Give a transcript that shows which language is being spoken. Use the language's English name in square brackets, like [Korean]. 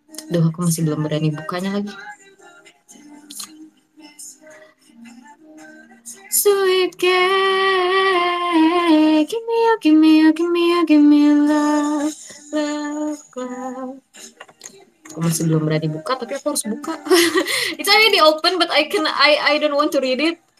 [Indonesian] Duh, aku masih belum berani bukanya lagi. [English] Sweet cake, give me you, give me you, give me you, give me love, love, love. [Indonesian] Aku masih belum berani buka, tapi aku harus buka. [English] It's already open, but I don't want to read it.